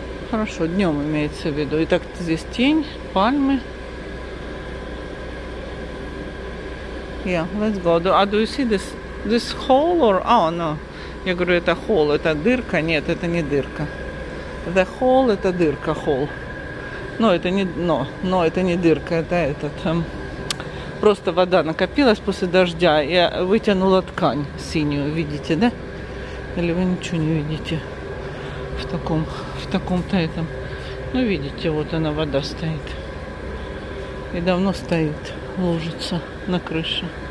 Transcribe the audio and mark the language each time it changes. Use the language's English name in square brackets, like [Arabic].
[Russian] Хорошо, днем имеется в виду. Итак, здесь тень, пальмы. [English] Yeah, let's go. Do you see this hole or... Oh, no. [Russian] Я говорю, это hole, это дырка. Нет, это не дырка. The hole, это дырка, hole. Но это не... Но это не дырка, это этот... Просто вода накопилась после дождя, и я вытянула ткань синюю, видите, да? Или вы ничего не видите? В таком-то этом. Ну, видите, вот она, вода стоит. И давно стоит, лужится на крыше.